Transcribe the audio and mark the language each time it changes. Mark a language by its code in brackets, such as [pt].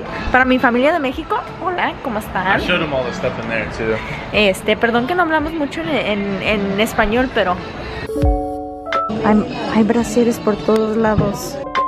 [es] Para mi familia de México, hola, ¿cómo están? [en] I showed them all the stuff in there too. [es] Perdón que no hablamos mucho en español, pero... Hay brasieres por todos lados.